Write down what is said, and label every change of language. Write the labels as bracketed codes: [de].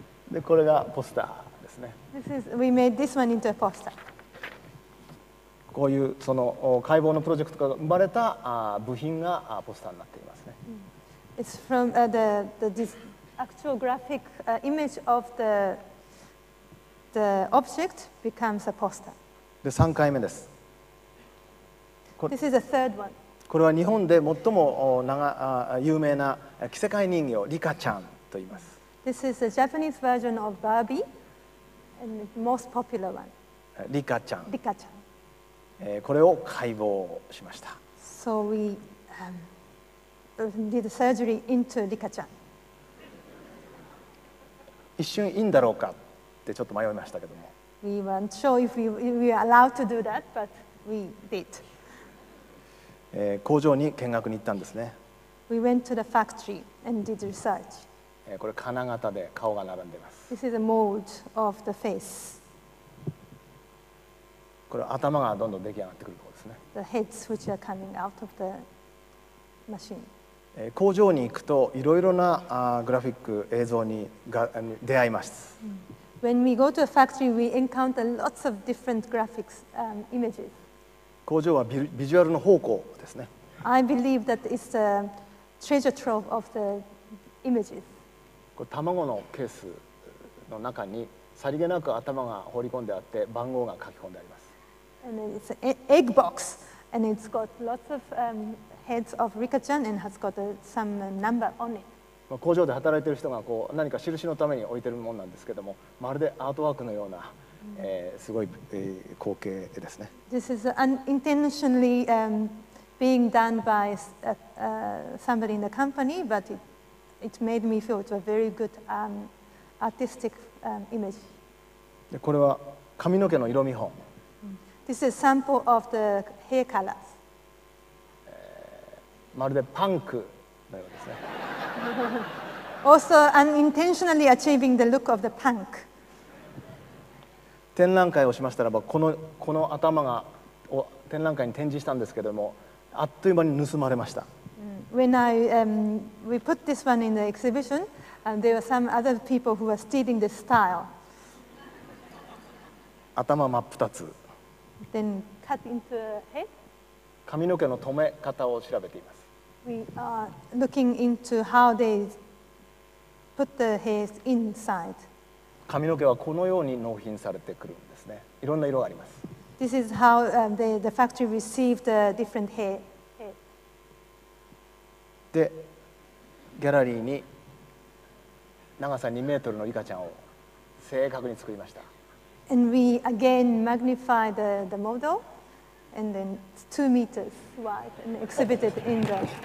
[ja] で、これがポスターですね。 [en] This is, we made this one into a poster. [ja] こういうその解剖のプロジェクトが生まれた部品がポスターになっていますね。 [en] It's from this actual graphic image of the object becomes a poster. [ja] で3回目です。 [en] This is the third one. [ja] これは日本で最も有名な着せ替え人形、リカちゃんと言います。 [en] This is the Japanese version of Barbie and the most popular one. [ja] リカちゃん。リカちゃん。これを解剖しました。 [en] So we did the surgery into リカちゃん。 [ja] 一瞬いいんだろうか。ちょっと迷いましたけども。 [en] We weren't sure if we were allowed to do that, but we did. [ja] 工場に見学に行ったんですね。 [en] We went to the factory and did research. [ja] これ金型で顔が並んでます。 [en] This is a mold of the face. [ja] これ頭がどんどん出来上がってくるところですね。 [en] The heads which are coming out of the machine. [ja] 工場に行くといろいろなグラフィック映像に出会います。 [en] When we go to a factory, we encounter lots of different graphics, images. [ja] 工場はビジュアルの宝庫ですね。 [en] I believe that it's the treasure trove of the images. [ja] これ卵のケースの中にさりげなく頭が放り込んであって番号が書き込んであります。 [en] And then it's an egg box, and it's got lots of、heads of Rikachan and has got some number on it. [ja] 工場で働いている人がこう何か印のために置いているものなんですけども、まるでアートワークのような、すごい、光景ですね。 [en] This is unintentionally being done by somebody in the company, but it made me feel it's a very good artistic image. [ja] でこれは髪の毛の色見本。 [en] This is a sample of the hair colors. [ja] まるでパンクのようですね。 [en] Also unintentionally achieving the look of the punk. [ja] 展覧会をしましたらば、この頭がを展覧会に展示したんですけども、あっという間に盗まれました。 [en] When I we put this one in the exhibition, and there were some other people who were stealing the style. [ja] 頭真っ二つ。 [en] Then cut into a head. [ja] 髪の毛の留め方を調べています。 [en] We are looking into how they put the hairs inside. [ja] 髪の毛はこのように納品されてくるんですね。いろんな色があります。 [en] This is how the factory received the different hair. [ja] で、ギャラリーに長さ2メートルのリカちゃんを正確に作りました。 [en] And we again magnified the model. And then it's 2 meters wide and exhibited in the.